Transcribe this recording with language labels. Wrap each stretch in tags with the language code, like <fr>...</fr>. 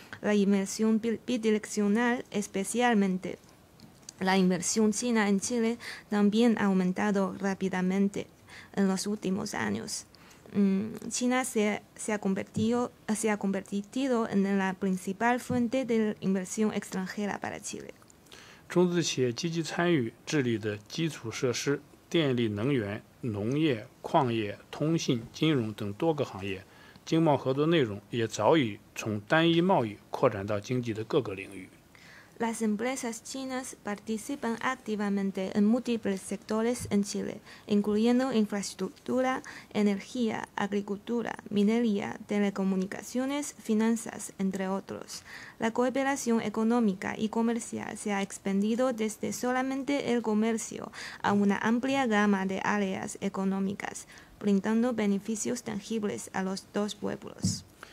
<es>La inversión bidireccional, especialmente la inversión china en Chile, también ha aumentado rápidamente en los últimos años. China se ha convertido en la principal fuente de inversión extranjera para Chile.</es> <zh>中资企业积极参与治理的基础设施、电力、能源、农业、矿业、通信、金融等多个行业，经贸合作内容也早已从单一贸易扩展到经济的各个领域。</zh> <es>Las empresas chinas participan activamente en múltiples sectores en Chile, incluyendo infraestructura, energía, agricultura, minería, telecomunicaciones, finanzas, entre otros. La cooperación económica y comercial se ha expandido desde solamente el comercio a una amplia gama de áreas económicas, brindando beneficios tangibles a los dos pueblos.</es>